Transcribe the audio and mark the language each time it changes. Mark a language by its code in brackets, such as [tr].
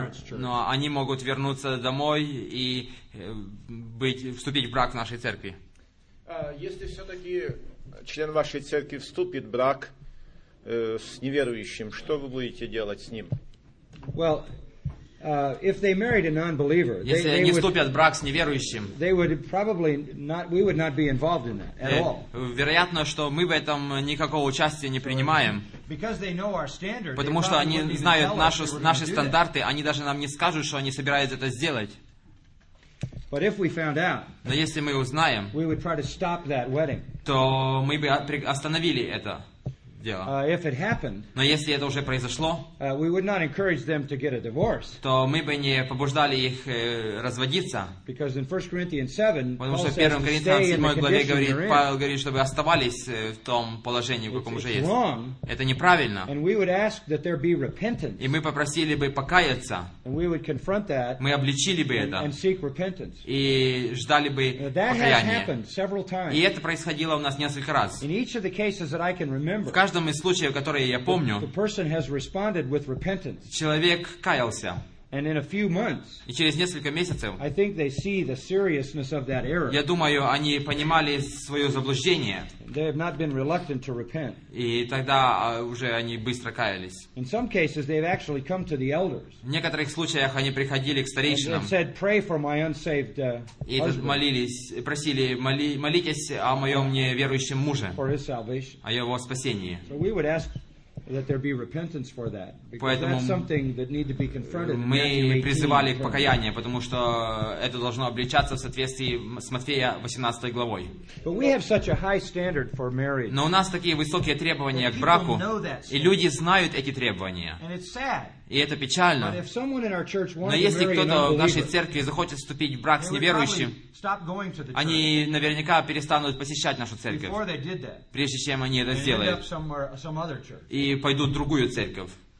[ru] Но они могут вернуться домой и вступить в брак в нашей церкви. Если все-таки член вашей церкви вступит в брак с неверующим, что вы будете делать с ним? [en] Well, if they married a non-believer, [ru] если они вступят в брак с неверующим, [en] they would probably not, we would not be involved in that at all. [ru] Вероятно, что мы в этом никакого участия не принимаем. [en] Because they know our standard, [ru] потому что они знают наши стандарты, они даже нам не скажут, что они собираются это сделать. [en] But if we found out, [ru] но если мы узнаем, [en] we would try to stop that wedding. [ru] То мы бы остановили это. [en] If it happened, [ru] но если это уже произошло, [en] we would not encourage them to get a divorce, [ru] то мы бы не побуждали их разводиться. [en] Because in 1 Corinthians 7, [ru] потому что в 1 Коринфянам 7 главе говорит, Павел говорит, чтобы оставались в том положении, в каком уже есть. [en] Wrong, [ru] это неправильно. [en] And we would ask that there be repentance. [ru] И мы попросили бы покаяться. [en] And we would confront that, [ru] мы обличили бы это. [en] And seek repentance. [ru] И ждали бы покаяния. [en] That has happened several times. [ru] И это происходило у нас несколько раз. [en] In each of the cases that I can remember, [ru] в каждом из случаев, которые я помню, человек каялся. [en] And in a few months, [ru] и через несколько месяцев, [en] I think they see the seriousness of that error. [ru] Я думаю, они понимали свое заблуждение. [en] They have not been reluctant to repent. [ru] И тогда уже они быстро каялись. [en] In some cases, they've actually come to the elders. [ru] В некоторых случаях они приходили к старейшинам. [en] And said, "Pray for my unsaved husband." [ru] И молились, просили, молитесь о моем неверующем муже. [en] For his salvation. [ru] О его спасении. [en] So we would ask that there be repentance for that, because that's something that need to be confronted. [ru] Мы призывали к покаянию, потому что это должно обличаться в соответствии с Матфея 18 главой. [en] But we have such a high standard for marriage. [ru] Но у нас такие высокие требования к браку, и люди знают эти требования. [en] And it's sad. [ru] И это печально. [en] But if someone in our church wants to marry an unbeliever, [ru] но если кто-то в нашей церкви захочет вступить в брак с неверующим, они наверняка перестанут посещать нашу церковь, прежде чем они это сделают, и пойдут в другую церковь.